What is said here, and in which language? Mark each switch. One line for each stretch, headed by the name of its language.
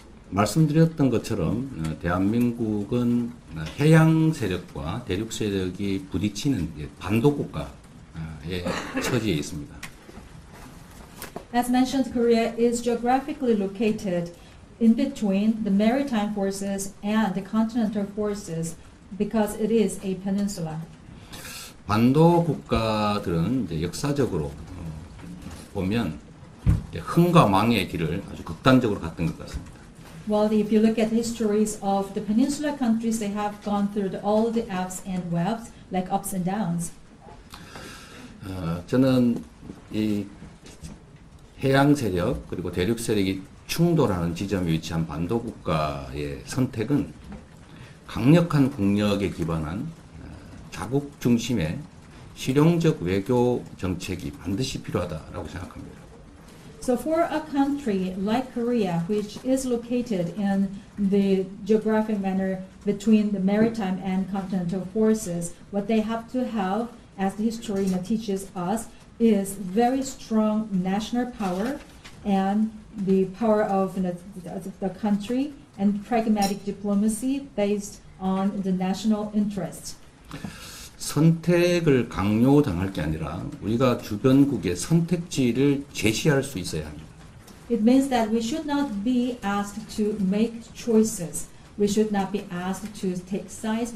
Korean: 말씀드렸던 것처럼 대한민국은 해양 세력과 대륙 세력이 부딪히는 반도국가의 처지에 있습니다.
English: As mentioned, Korea is geographically located in between the maritime forces and the continental forces because it is a peninsula.
Korean: 반도국가들은 역사적으로 보면 흥과 망의 길을 아주 극단적으로 갔던 것 같습니다.
English: Well, if you look at the histories of the peninsula countries, they have gone through all the ups and waves, like ups and downs.
Korean: 저는 이 해양 세력 그리고 대륙 세력이 충돌하는 지점에 위치한 반도 국가의 선택은 강력한 국력에 기반한 자국 중심의 실용적 외교 정책이 반드시 필요하다라고 생각합니다.
English: So for a country like Korea, which is located in the geographic manner between the maritime and continental forces, what they have to have, as the history teaches us, is very strong national power and the power of the country and pragmatic diplomacy based on the national interest.
Korean: 선택을 강요당할 게 아니라 우리가 주변국의 선택지를 제시할 수 있어야 합니다.
English: It means that we should not be asked to make choices. We should not be asked to take sides.